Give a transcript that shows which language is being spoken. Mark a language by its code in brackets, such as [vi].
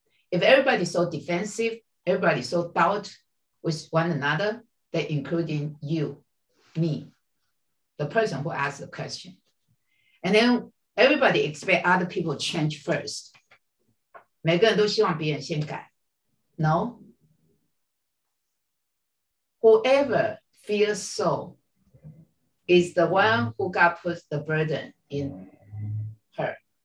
[en] If everybody's so defensive, everybody's so doubt with one another, that including you, me, the person who asked the question. And then everybody expect other people change first. [zh] 每个人都希望别人先改. [en] No? Whoever feels so is the one who God puts the burden in her.